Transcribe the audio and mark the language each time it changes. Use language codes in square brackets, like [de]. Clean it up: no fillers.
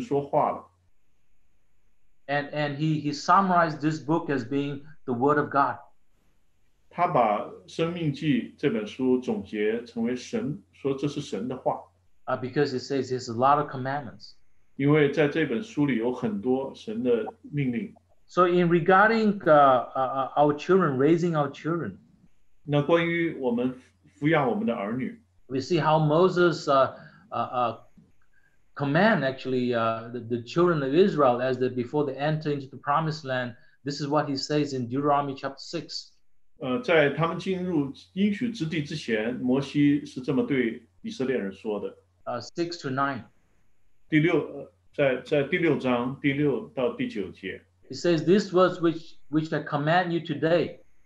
[zh] 江守道弟兄有一本书叫做《神说话了》。 [en] And he summarized this book as being the Word of God. [zh] 他把《生命记》这本书总结成为神说这是神的话。 [en] Because it says there's a lot of commandments. [zh] 因为在这本书里有很多神的命令。 [en] So in regarding our children, raising our children. [zh] 那关于我们抚养我们的儿女, [en] we see how Moses command actually the children of Israel as that before they enter into the promised land. This is what he says in Deuteronomy chapter 6. [zh] 在他们进入应许之地之前, 摩西是这么对以色列人说的。 [en] 6 to 9. [zh] 第六, 在第六章, 第六到第九节, [en] he says, these words which I command you today.